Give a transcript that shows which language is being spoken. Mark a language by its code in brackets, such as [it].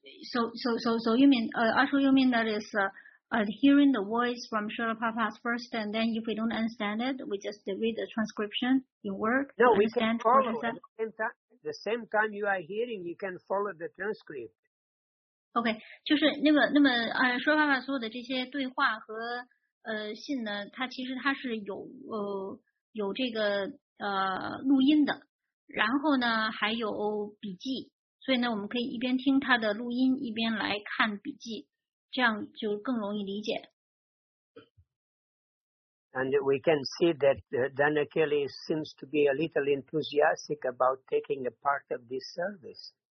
[zh] 阿叔说的意思呢， [en] so you mean that is hearing the voice from Srila Prabhupada first, and then if we don't understand it, we just read the transcription in work. No, we can follow at the same time you are hearing, you can follow the transcript. [zh] OK, 就是那么说法所有的这些对话和信呢，它其实它是有这个录音的，然后呢还有笔记，所以呢我们可以一边听它的录音，一边来看笔记，这样就更容易理解。 [en] And we can see that Danakeli seems to be a little enthusiastic about taking a part of this service.